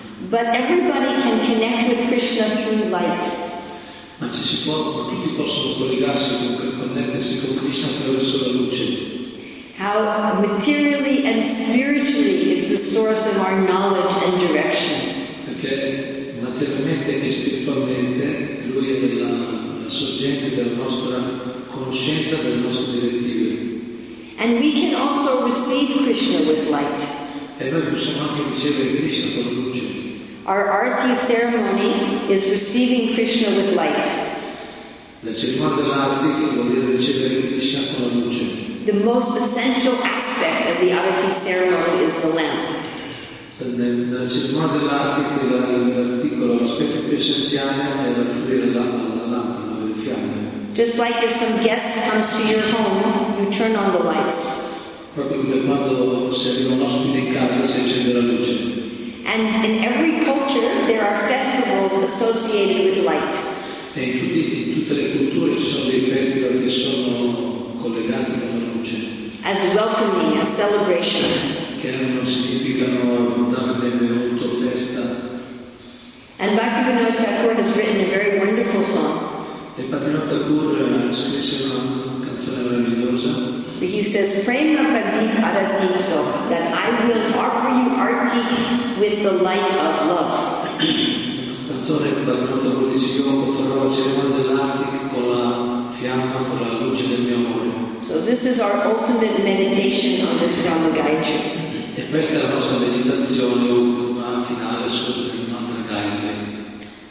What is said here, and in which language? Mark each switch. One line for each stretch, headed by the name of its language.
English: But everybody can connect with Krishna through light. How materially and spiritually is the source of our knowledge and direction.
Italian: Materialmente e spiritualmente lui è la sorgente della nostra conoscenza, delle nostre direttive.
English: And we can also receive Krishna with light.
Italian: E noi possiamo anche ricevere Krishna con luce.
English: Our arati ceremony is receiving Krishna with light.
Italian: La cerimonia dell'arati che vuol dire ricevere Krishna con la luce.
English: The most essential aspect of the arati ceremony is the lamp.
Italian: Nella cerimonia dell'articolo, l'aspetto più essenziale è la lampada, il fiamme.
English: Just like if some guest comes to your home, you turn on the lights.
Italian: Proprio come quando se arriva un ospite in casa si accende la luce.
English: And in every culture there are festivals associated with light.
Italian: E in tutte le culture ci sono dei festival che sono collegati con la luce.
English: As welcoming, a celebration.
Italian: Che non significano dare benvenuto, festa.
English: And Bhaktivinoda Thakur has written a very wonderful song.
Italian: E Bhaktivinoda Thakur ha scritto una canzone meravigliosa.
English: He says, Prema Padip Aratikso, that I will offer you arti with the light of love.
Italian: La canzone di Bhaktivinoda Thakur dice, io farò la cerimonia dell'arti con la fiamma, con la luce del mio amore.
English: So this is our ultimate meditation on this Brahma Gayatri.
Italian: E questa è la nostra meditazione ultima finale sul mantra Gayatri.